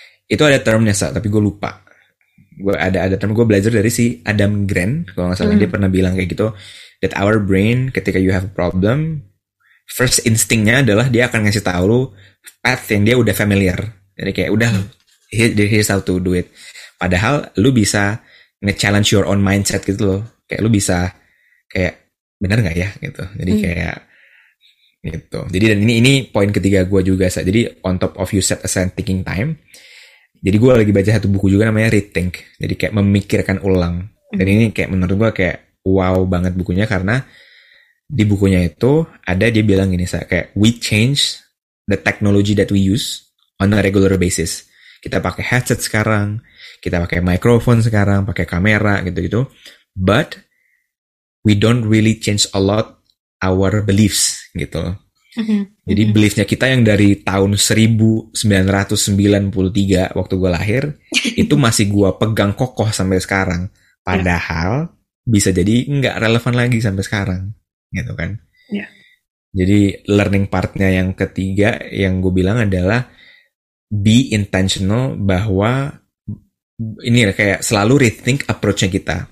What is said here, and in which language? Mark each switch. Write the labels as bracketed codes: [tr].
[id] Itu ada termnya, Sa, tapi gue lupa. Gue ada term, gue belajar dari si Adam Grant kalau nggak salah. Dia pernah bilang kayak gitu, [en] that our brain [id] ketika [en] you have a problem, [id] first instinctnya adalah dia akan ngasih tahu lu path yang dia udah familiar. Jadi kayak udah [en] he's how to do it. [id] Padahal lu bisa nge-challenge [en] your own mindset [id] gitu loh. Kayak lu bisa kayak benar enggak ya gitu. Jadi kayak gitu. Jadi dan ini poin ketiga gua juga, Sa. Jadi [en] on top of you set aside thinking time. [id] Jadi gua lagi baca satu buku juga namanya Rethink. Jadi kayak memikirkan ulang. Dan ini kayak menurut gua kayak wow banget bukunya, karena di bukunya itu ada dia bilang gini, Sa, kayak [en] we change the technology that we use on a regular basis. [id] Kita pakai headset sekarang, kita pakai microphone sekarang, pakai kamera gitu-gitu. [en] But we don't really change a lot our beliefs [id] gitu. Jadi beliefnya kita yang dari tahun 1993 waktu gue lahir itu masih gue pegang kokoh sampai sekarang. Padahal bisa jadi nggak relevan lagi sampai sekarang, gitu kan? Ya. Jadi learning partnya yang ketiga yang gue bilang adalah [en] be intentional [id] bahwa ini kayak selalu rethink approach-nya kita.